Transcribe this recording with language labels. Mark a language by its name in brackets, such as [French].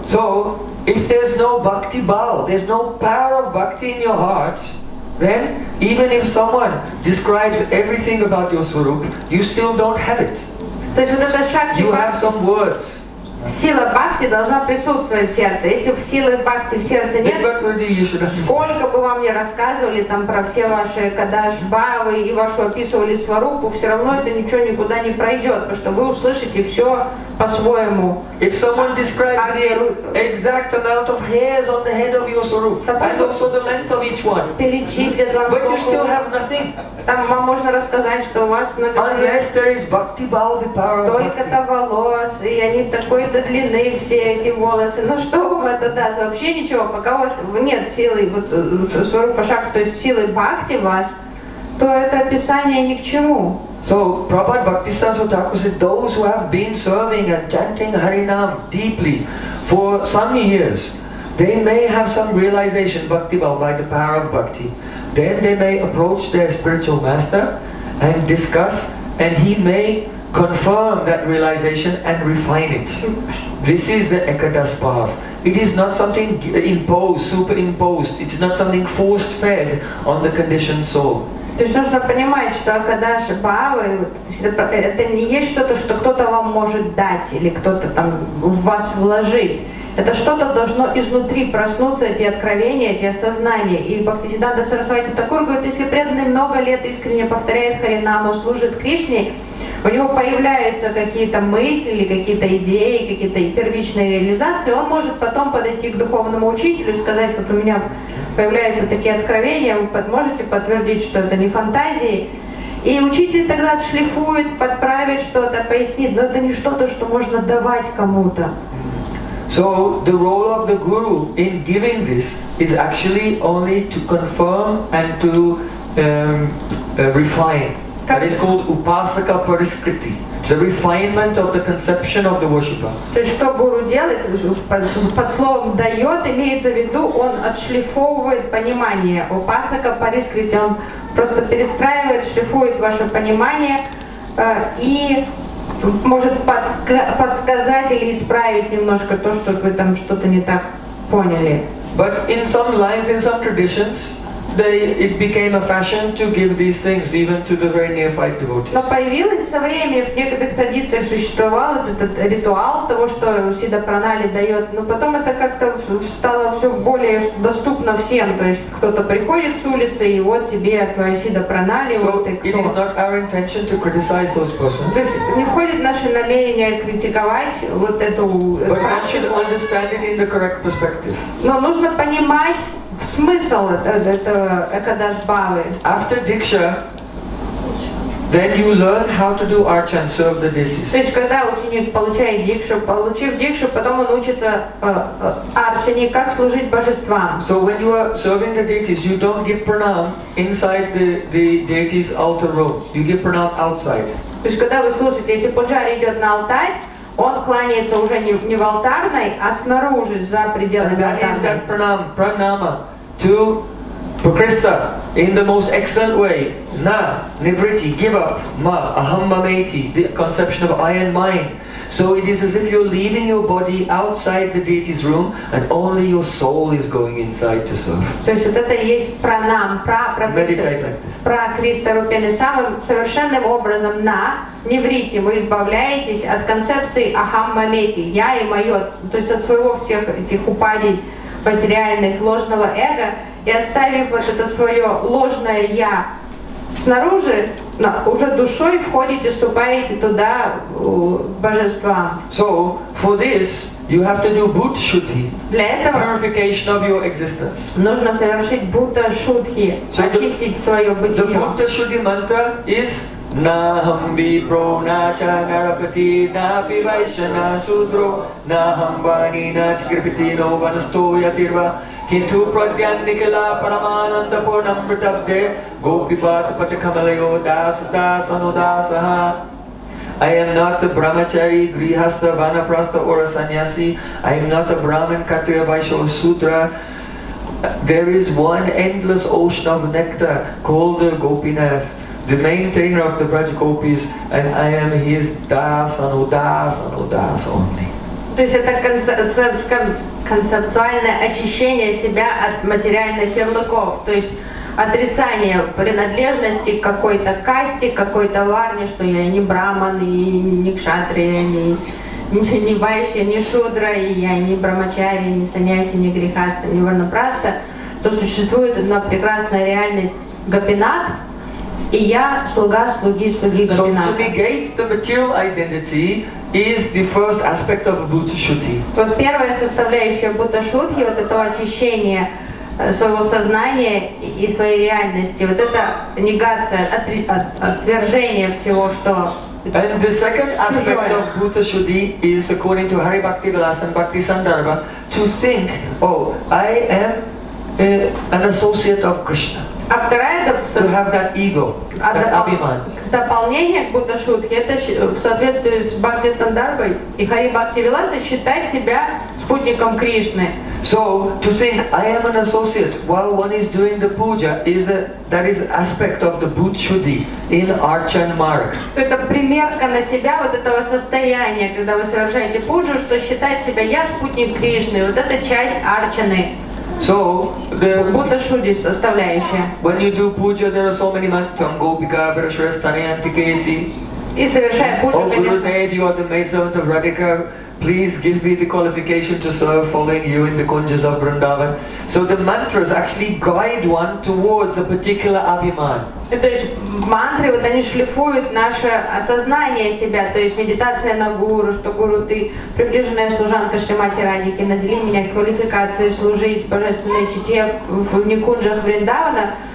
[English] So, if there's no bhakti bal, there's no power of bhakti in your heart, then even if someone describes everything about your swarup, you still don't have it. [Russian] То есть вот это шакти. [English] You have some words. [Russian] Сила бхакти должна присутствовать в сердце. Если силы бхакти в сердце нет, сколько бы вам ни рассказывали там про все ваши кадашбавы и вашу описывали сварупу, все равно это ничего никуда не пройдет, потому что вы услышите все по-своему. [English] If someone describes the exact amount of hairs on the head of your swarup, and also the length of each one, [Russian] перечислят вам, [English] but you still have nothing. [Russian] Там вам можно рассказать, что у вас на голове. [English] Unless there is bhakti bal, the power of bhakti. [Russian] Столько-то волос, и они такой это длинные все эти волосы. Ну что вам это даст? Вообще ничего. Пока у вас нет силы, вот сварупа шакти, то есть силы бхакти вас, то это описание ни к чему. [English] So, Prabhupada Bhaktisiddhanta Thakur said, those who have been serving and chanting Harinam deeply for some years, they may have some realization, bhakti bhava, by the power of bhakti. Then they may approach their spiritual master and discuss, and he may confirm that realization and refine it. This is the Ekadas path. It is not something imposed, superimposed. It's not something forced fed on the conditioned soul. [Russian] То есть нужно понимать, что Акадаши Бхавы, это не есть что-то, что кто-то вам может дать или кто-то там в вас вложить. Это что-то должно изнутри проснуться, эти откровения, эти осознания. И Бхактисиддханта Сарасвати Такур говорит, если преданный много лет искренне повторяет Харинаму, служит Кришне, у него появляются какие-то мысли, какие-то идеи, какие-то первичные реализации, он может потом подойти к духовному учителю и сказать, вот у меня появляются такие откровения, вы можете подтвердить, что это не фантазии. И учитель тогда отшлифует, подправит что-то, пояснит, но это не что-то, что можно давать кому-то. [English] So the role of the guru in giving this is actually only to confirm and to refine. That is called upasaka pariskriti. The refinement of the conception of the worshipper. [Russian] То есть что гуру делает под словом дает имеется в виду он отшлифовывает понимание упасака парискрити он просто перестраивает шлифует ваше понимание и может подсказать или исправить немножко то что вы там что-то не так поняли. [English] But in some lines in some traditions. They, it became a fashion to give these things even to the very neophyte devotees. [Russian] Но появилось со временем в некоторых традициях существовал этот ритуал того, что Сидда Пранали дает. Но потом это как-то стало все более доступно всем. То есть кто-то приходит с улицы и вот тебе твоя Сидда Пранали, вот ты кто. [English] So it is not our intention to criticize those persons. [Russian] То есть не входит в наше намерение критиковать вот эту. [English] But one should understand it in the correct perspective. [Russian] Но нужно понимать. В смысл этого Экадаш Бхавы. [English] After Diksha, then you learn how to do archa and serve the deities. [Russian] То есть когда ученик получает дикшу, получив дикшу, потом он учится арчане, как служить божествам. [English] So when you are serving the deities, you don't give pranam inside the deity's altar robe. You give pranam outside. [Russian] То есть когда вы служите, если пуджари идет на алтарь, он кланяется уже не в алтарной, а снаружи, за пределами алтарной. [English] Пранама to Prakrista in the most excellent way. Na, Nivritti, give up. Ma, Ahammameti, the conception of I and mine. So it is as if you're leaving your body outside the deity's room and only your soul is going inside to serve. [Russian] То есть вот это есть пранам, Прокриста Рупени самым совершенным образом на неврите вы избавляетесь от концепции Ахаммамети, я и мое, то есть от своего всех этих упадий материальных, ложного эго, и оставив вот это свое ложное я снаружи, уже душой входите, вступаете туда, божества. [English] So, for this, you have to do Buddha Shuddhi. [Russian] Для этого [English] purification of your existence. [Russian] Нужно совершить Buddha Shuddhi, so очистить свое бытие. [English] The Buddha Shuddhi mantra is [Sanskrit] Naham vi pro na cha narapati na pi vaishana sudro naham vani na chikripiti no vanasto yatirva kintu pradyan nikala paramananda purnam pritabde gopi bhat patakamalayo dasudas anudasaha. [English] I am not a brahmachari, grihastha, vanaprastha or a sannyasi. I am not a brahman, kattaya, vaisya or sudra. There is one endless ocean of nectar called the gopinas, the maintainer of the Braj Gopis, and I am his das only. [Russian] То есть это концептуальное очищение себя от материальных ярлыков, то есть отрицание принадлежности к какой-то касте, какой-то варне, что я не браман, и не кшатрия, не вайшья, не шудра, и я не брамачари, не саньяси, не грихаста, не варнапраста, то существует одна прекрасная реальность Гопинат, и я слуга слуги слуги Гопинат. [English] So to negate the material identity is the first aspect of Buddha Shuddhi. [Russian] Вот первая составляющая Buddha Shuddhi, вот этого очищения своего сознания и своей реальности, вот это негация, отвержение всего, что. [English] And the second aspect of Buddha Shuddhi is, according to Hari Bhakti Vilas and Bhakti Sandarbha, to think, oh, I am an associate of Krishna. [Russian] А вторая это [English] to have that ego, that abhiman. [Russian] Дополнение к Buddha Shuddhi, это в соответствии с Бхакти Сандарбой и Хари Бхакти Виласа считать себя спутником Кришны. [English] So to think I am an associate while one is doing the puja is that is aspect of the Buddha Shuddhi in Archan Mark. [Russian] Это примерка на себя вот этого состояния, когда вы совершаете пуджу, что считать себя я спутник Кришны, вот это часть Арчаны. [English] So the [Russian] Buddha Shuddhi составляющая. [English] When you do puja, there are so many mantras: Gopika, Brishrestane, Antikesi. [Russian] И совершая пуджу, конечно. [English] Oh Guru Dev, you are the maidservant of Radhika. Please give me the qualification to serve following you in the kunjas of Vrindavan. So the mantras actually guide one towards a particular abhiman. [Russian] То есть мантры вот они шлифуют наше осознание себя. То есть медитация на гуру, что гуру ты приближенная служанка Шримати Радхики, надели меня квалификацией служить божественной чите в никунджах Вриндавана.